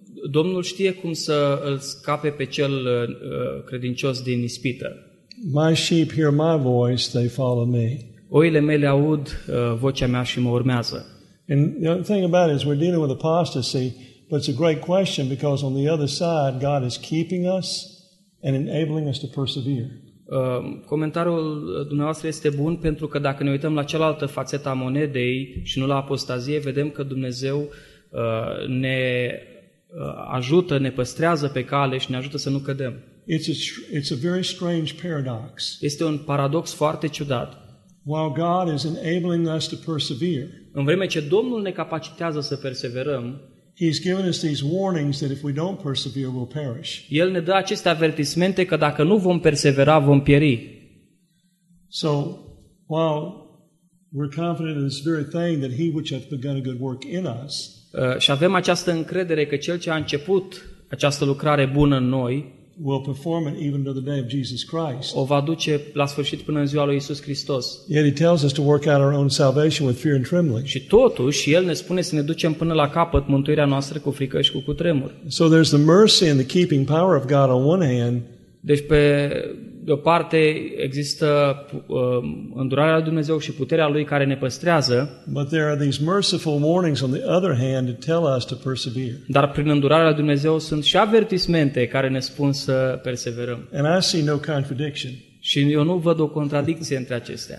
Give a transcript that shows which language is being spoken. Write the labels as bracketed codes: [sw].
[ro] Domnul știe cum să îl scape pe cel credincios din ispită. [en] My sheep hear my voice, they follow me. [ro] Oile mele aud vocea mea și mă urmează. [en] And the other thing about it is we're dealing with apostasy, but it's a great question because on the other side God is keeping us and enabling us to persevere. [ro] Comentariul dumneavoastră este bun pentru că dacă ne uităm la cealaltă fațetă a monedei și nu la apostazie, vedem că Dumnezeu ne ajută, ne păstrează pe cale și ne ajută să nu cădem. [en] It's a very strange paradox. [ro] Este un paradox foarte ciudat. [en] While God is enabling us to persevere. [ro] În vreme ce Domnul ne capacitează să perseverăm, [en] He's given us these warnings that if we don't persevere, we'll perish. [ro] El ne dă aceste avertismente că dacă nu vom persevera, vom pieri. [en] So, while we're confident in this very thing that He which hath begun a good work in us. [ro] Și avem această încredere că Cel ce a început această lucrare bună în noi [en] will perform it even to the day of Jesus Christ. [ro] O va duce la sfârșit până în ziua lui Iisus Hristos. [en] Yet He tells us to work out our own salvation with fear and trembling. [ro] Și totuși El ne spune să ne ducem până la capăt mântuirea noastră cu frică și cu cutremur. [en] So there's the mercy and the keeping power of God on one hand. [ro] Deci pe de o parte există îndurarea lui Dumnezeu și puterea lui care ne păstrează. [en] But there are these merciful warnings on the other hand to tell us to persevere. [ro] Dar prin îndurarea lui Dumnezeu sunt și avertismente care ne spun să perseverăm. [en] And I see no contradiction. [ro] Și eu nu văd o contradicție între acestea.